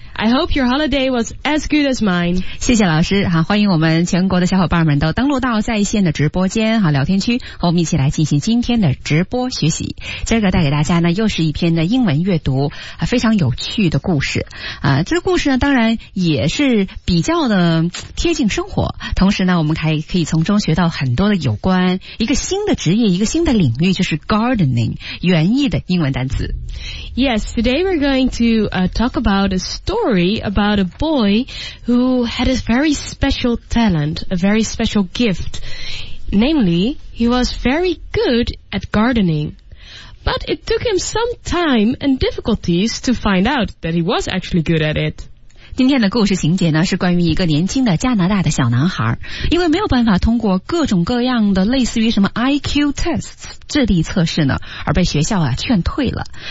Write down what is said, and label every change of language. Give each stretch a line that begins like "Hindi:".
English: I hope your holiday was as good as mine.
Chinese: 谢谢老师，欢迎我们全国的小伙伴们都登录到在线的直播间聊天区，和我们一起来进行今天的直播学习。今儿个带给大家呢又是一篇的英文阅读，非常有趣的故事。这个故事呢当然也是比较的贴近生活，同时呢我们还可以从中学到很多的有关一个新的职业，一个新的领域，就是 gardening, 园艺的英文单词。
English: Yes, today we're going to talk about a story about a boy who had a very special talent, a very special gift. Namely, he was very good at gardening. But it took him some time and difficulties to find out that he was actually good at it.
Chinese: 今天的故事情节呢是关于一个年轻的加拿大的小男孩，因为没有办法通过各种各样的类似于什么 IQ tests 智力测试呢，而被学校劝退了。